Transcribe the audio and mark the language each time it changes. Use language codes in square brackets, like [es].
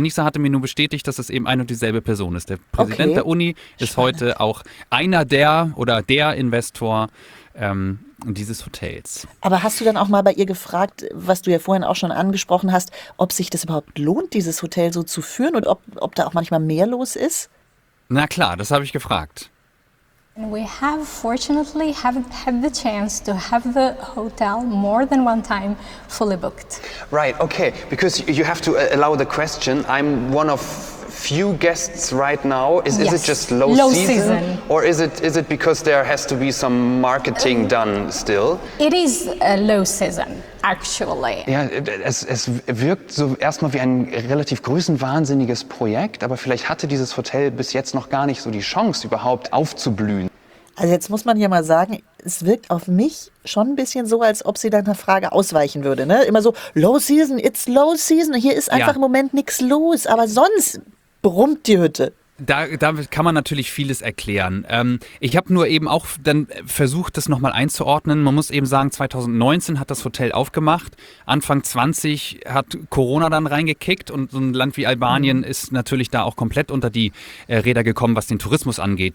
[de] Anissa hatte mir nur bestätigt, dass es eben eine und dieselbe Person ist. Der Präsident der Uni ist heute auch einer der oder der Investor dieses Hotels. Aber hast du dann auch mal bei ihr gefragt, was du ja vorhin auch schon angesprochen hast, ob sich das überhaupt lohnt, dieses Hotel so zu führen und ob da auch manchmal mehr los ist? Na klar, das habe ich gefragt. [en] We have fortunately had the chance to have the hotel more than one time fully booked. Right, okay, because you have to allow the question. I'm one of few guests right now. Is it just low season? Or is it because there has to be some marketing done still? It is a low season, actually. [de] Ja, es wirkt so erstmal wie ein relativ größenwahnsinniges Projekt, aber vielleicht hatte dieses Hotel bis jetzt noch gar nicht so die Chance, überhaupt aufzublühen. Also jetzt muss man ja mal sagen, es wirkt auf mich schon ein bisschen so, als ob sie deiner Frage ausweichen würde. Ne? Immer so, [en] low season, it's low season. [de] Hier ist einfach im Moment nichts los, aber sonst brummt die Hütte. Da kann man natürlich vieles erklären. Ich habe nur eben auch dann versucht, das nochmal einzuordnen. Man muss eben sagen, 2019 hat das Hotel aufgemacht. Anfang 20 hat Corona dann reingekickt und so ein Land wie Albanien ist natürlich da auch komplett unter die Räder gekommen, was den Tourismus angeht.